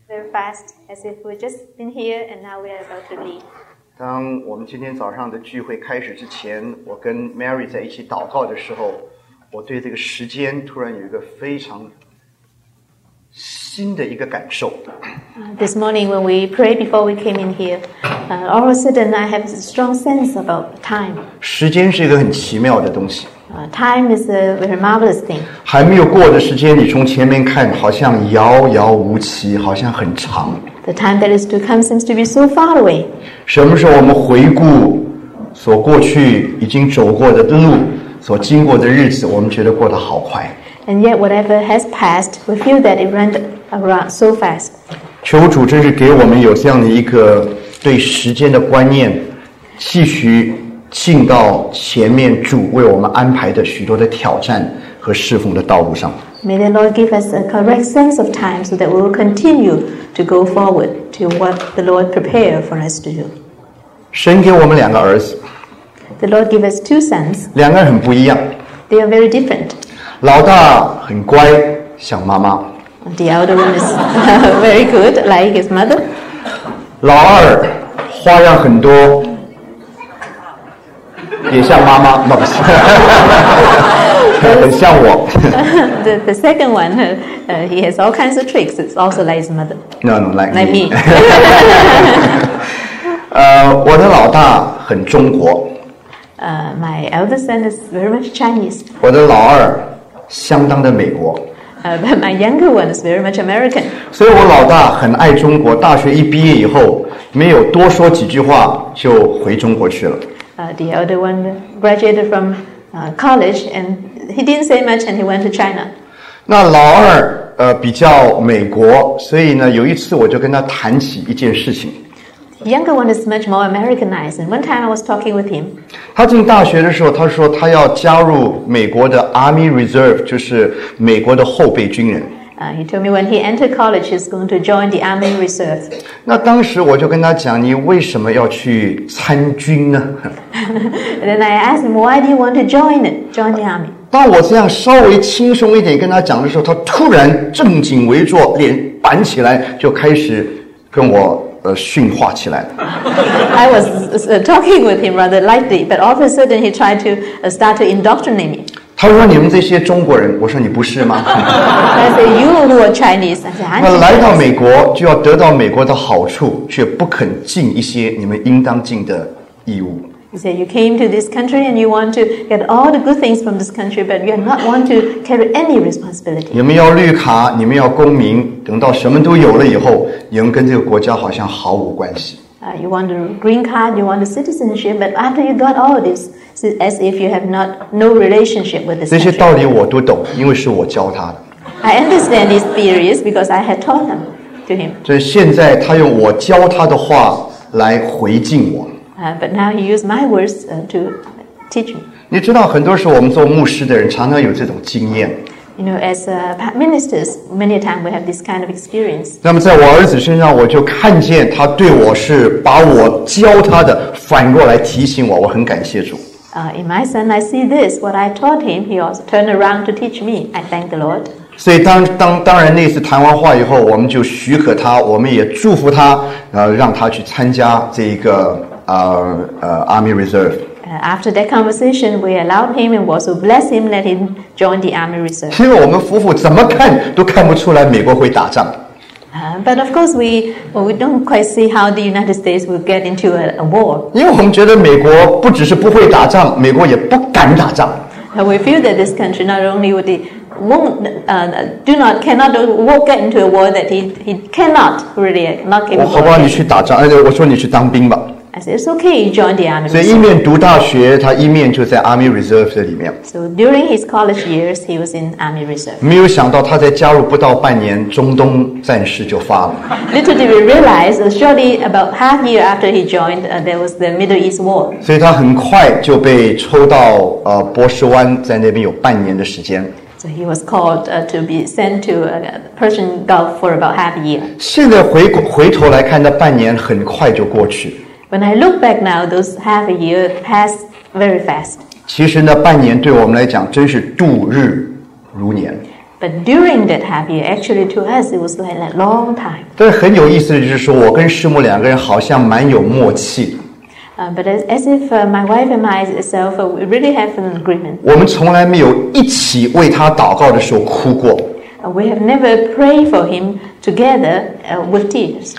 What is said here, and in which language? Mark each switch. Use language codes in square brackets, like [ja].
[en] fast as if we've just been here and now we're about to leave. [zh] 当我们今天早上的聚会开始之前，我跟 Mary 在一起祷告的时候，我对这个时间突然有一个非常新的一个感受。 [en] This morning when we prayed before we came in here, all of a sudden I have a strong sense about time. [zh] 时间是一个很奇妙的东西。 [en] Time is a very marvelous thing. [zh] 还没有过的时间，你从前面看好像遥遥无期，好像很长。 [en] The time that is to come seems to be so far away. [zh] 什么时候我们回顾所过去已经走过的路，所经过的日子，我们觉得过得好快。 [en] And yet whatever has passed, we feel that it ran around so fast. [zh] 求主真是给我们有这样的一个对时间的观念，继续进到前面主为我们安排的许多的挑战和侍奉的道路上。 [en] May the Lord give us a correct sense of time so that we will continue to go forward to what the Lord prepared for us to do. [zh] 神给我们两个儿子。 [en] The Lord give us two sons. [zh] 两个人很不一样。 [en] They are very different. [zh] 老大很乖，像妈妈。 [en] The elder one is very good, like his mother. [zh] 老二花样很多。也像妈妈，不是，很像我。 [en] The second one, he has all kinds of tricks. It's also like his mother. No, like me. Like me. [zh] 我的老大很中国。 [en] My elder son is very much Chinese. [zh] 我的老二相当的美国。 [en] But my younger one is very much American. [zh] 所以我老大很爱中国。大学一毕业以后，没有多说几句话，就回中国去了。 [en] The elder one graduated from college, and he didn't say much, and he went to China. [zh] 那老二比较美国，所以呢，有一次我就跟他谈起一件事情。 [en] The younger one is much more Americanized, and one time I was talking with him. [zh] 他进大学的时候，他说他要加入美国的 Army Reserve, 就是美国的后备军人。 [en] He told me when he entered college, he's going to join the Army Reserve. [zh] 那当时我就跟他讲，你为什么要去参军呢？ [en] Then I asked him, why do you want to join the Army? [zh] 当我这样稍微轻松一点跟他讲的时候，他突然正襟危坐，脸板起来，就开始跟我训话起来。 [en] I was talking with him rather lightly, but all of a sudden he tried to start to indoctrinate me. [zh] 他说你们这些中国人，我说你不是吗？ [en] I say you who are Chinese. [zh] 那来到美国就要得到美国的好处，却不肯尽一些你们应当尽的义务。 [en] He said you came to this country and you want to get all the good things from this country, but you are not want to carry any responsibility. [zh] 你们要绿卡，你们要公民，等到什么都有了以后，你们跟这个国家好像毫无关系。 [en] You want a green card, you want a citizenship, but after you got all of this, it's as if you have no relationship with this country. [zh] 这些道理我都懂，因为是我教他的。 [en] I understand these theories because I had taught them to him. [zh] 所以现在他用我教他的话来回敬我。 [en] But now he used my words to teach me. [zh] 你知道，很多时候我们做牧师的人常常有这种经验。 [en] You know, as ministers, many times we have this kind of experience. [zh] 那么在我儿子身上，我就看见他对我是把我教他的反过来提醒我，我很感谢主。 [en] In my son, I see this. What I taught him, he also turned around to teach me. I thank the Lord. [zh] 所以当然那次谈完话以后，我们就许可他，我们也祝福他，让他去参加这一个Army Reserve. [en] After that conversation, we allowed him and also blessed him, let him join the Army Reserve. [zh] 因为我们夫妇怎么看都看不出来美国会打仗。 [en] But of course, we don't quite see how the United States will get into a war. [zh] 因为我们觉得美国不只是不会打仗，美国也不敢打仗。 [en] And we feel that this country not only would it cannot get into a war that he cannot really not capable. [zh] 我好不好你去打仗？哎，我说你去当兵吧。 [en] I said, it's okay, you join the Army Reserve. [zh] 所以一面读大学，他一面就在 Army Reserve 这里面。 [en] So during his college years, he was in Army Reserve. [zh] 没有想到他在加入不到半年，中东战事就发了。 [en] Little did we realize, shortly about half year after he joined, there was the Middle East War. [zh] 所以他很快就被抽到波斯湾，在那边有半年的时间。 [en] So he was called to be sent to Persian Gulf for about half a year. [zh] 现在回头来看，那半年很快就过去。 [en] When I look back now, those half a year passed very fast. [zh] 其实呢，半年对我们来讲真是度日如年。 [en] But But during that half year, actually to us, it was like a long time. [zh] 对，很有意思的就是说，我跟师母两个人好像蛮有默契。 [en] But as if my wife and myself, we really have an agreement. [zh] 我们从来没有一起为他祷告的时候哭过。 [en] We have never prayed for him together with tears.